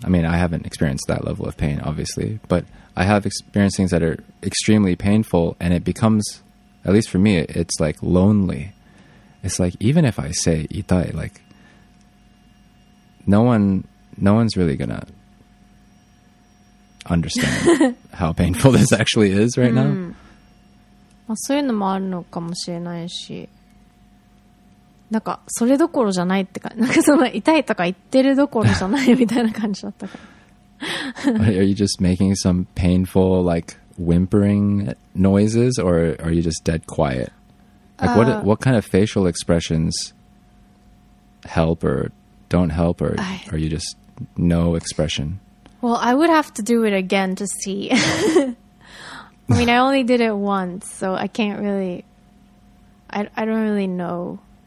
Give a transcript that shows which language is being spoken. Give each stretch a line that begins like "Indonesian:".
English: I mean, I haven't experienced that level of pain, obviously, but I have experienced things that are extremely painful, and it becomes, at least for me, it's like lonely. It's like, even if I say itai, like, no one's really gonna understand how painful this actually is right now.
Japanese: まあ、そういうのもあるのかもしれないし、なんかそれどころじゃないってか、なんかその痛いとか言ってるどころじゃないみたいな感じだったから。
English: Are you just making some painful like whimpering noises, or are you just dead quiet? Like what kind of facial expressions help or don't help, or are you just no expression? Well, I would have to do it again to see. I mean, I only did it once, so I can't really, I don't really know.